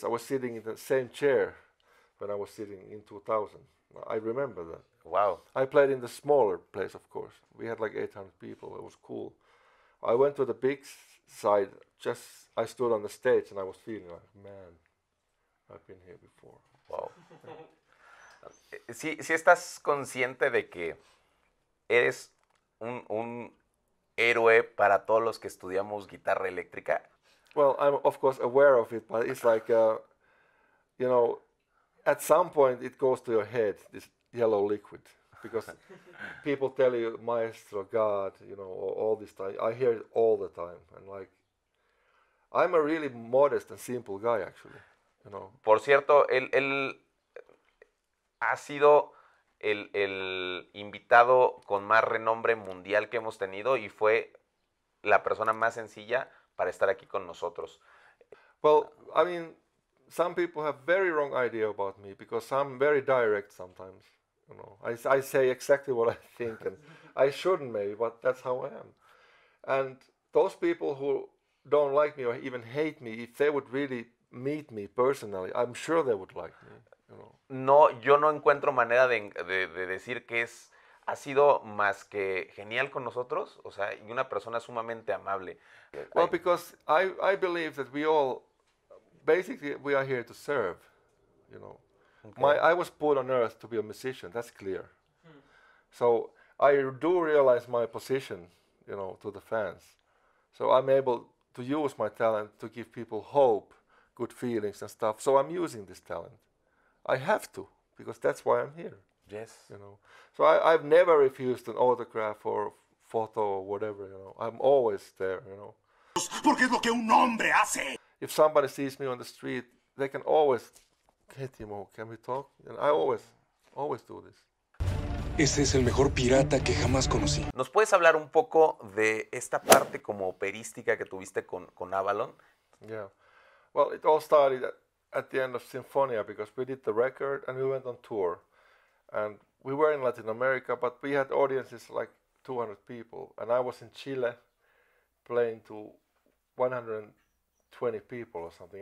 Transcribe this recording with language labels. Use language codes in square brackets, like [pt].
[en] I was sitting in the same chair when I was sitting in 2000. I remember that. Wow. I played in the smaller place, of course. We had like 800 people. It was cool. I went to the big side. Just I stood on the stage and I was feeling like, man, I've been here before. Wow. [es] Si estás consciente de que eres un héroe para todos los que estudiamos guitarra eléctrica. [en] Well, I'm of course aware of it, but it's like, you know, at some point it goes to your head, this yellow liquid, because people tell you maestro, God, you know, all this time. I hear it all the time, and like, I'm a really modest and simple guy, actually. You know. [es] Por cierto, él ha sido el invitado con más renombre mundial que hemos tenido y fue la persona más sencilla para estar aquí con nosotros. [en] Well, I mean, some people have very wrong idea about me because I'm very direct sometimes. You know, I say exactly what I think and I shouldn't maybe, but that's how I am. And those people who don't like me or even hate me, if they would really meet me personally, I'm sure they would like me. [es] No, yo no encuentro manera de decir que es ha sido más que genial con nosotros, o sea, y una persona sumamente amable. [en] Well, because I believe that we all, basically, we are here to serve, you know. Okay. I was put on earth to be a musician, that's clear. So I do realize my position, you know, to the fans. So I'm able to use my talent to give people hope, good feelings and stuff. So I'm using this talent. I have to, because that's why I'm here. Yes. You know. So I've never refused an autograph or photo or whatever, you know. I'm always there, you know. [es] Porque es lo que un hombre hace. [en] If somebody sees me on the street, they can always, hey Timo, can we talk? And I always do this. [es] Este es el mejor pirata que jamás conocí. ¿Nos puedes hablar un poco de esta parte como operística que tuviste con Avalon? [en] Yeah. Well, it all started at the end of Sinfonia, because we did the record and we went on tour. And we were in Latin America, but we had audiences like 200 people. And I was in Chile playing to 120 people or something.